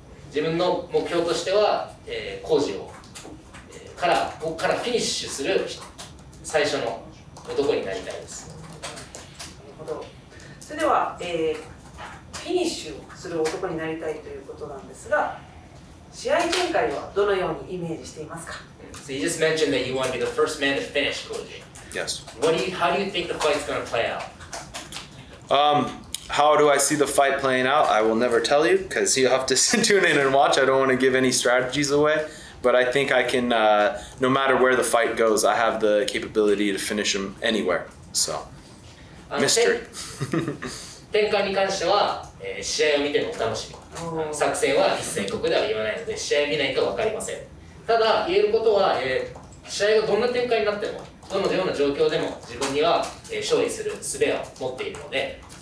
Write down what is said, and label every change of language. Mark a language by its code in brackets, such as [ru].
[ja] 自分の目標としては、Kojiを、ここからフィニッシュする最初の男になりたいです。なるほど。それでは、フィニッシュをする男になりたいということなんですが、試合展開はどのようにイメージしていますか？ [en] So you just mentioned that you want to be the first man to finish Koji. Yes. How do you think the fight's going to play out? How do I see the fight playing out? I will never tell you because you have to tune in and watch. I don't want to give any strategies away, but I think I can, no matter where the fight goes, I have the capability to finish him anywhere. So, mystery. [ja] 展開に関しては、試合を見てのお楽しみ。作戦は一戦国では言わないので、試合見ないと分かりません。ただ、言えることは、試合がどんな展開になっても、どのような状況でも自分には、勝利する術を持っているので、